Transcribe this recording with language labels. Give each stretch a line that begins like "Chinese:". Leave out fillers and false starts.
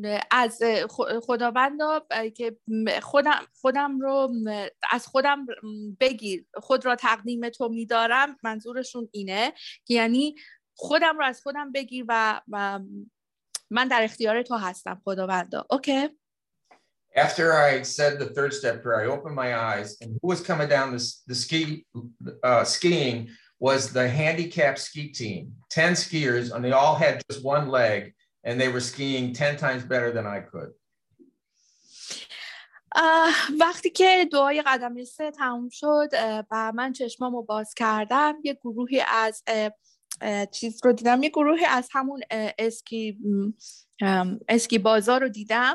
Persian: از خداوند که خودم رو از خودم بگیر خود را تقدیم تو می‌دارم، منظورشون اینه یعنی خودم رو از خودم بگیر و من در اختیار تو هستم خداوند. اوکی.
English: After I said the third step prayer I opened my eyes and who was coming down the ski skiing was the handicapped ski team, 10 skiers and they all had just one leg and they were skiing 10 times better than I could.
Persian: وقتی که دعای قدم سه تموم شد و من چشمامو باز کردم یه گروهی از چیز رو دیدم، یه گروهی از همون اسکی بازار رو دیدم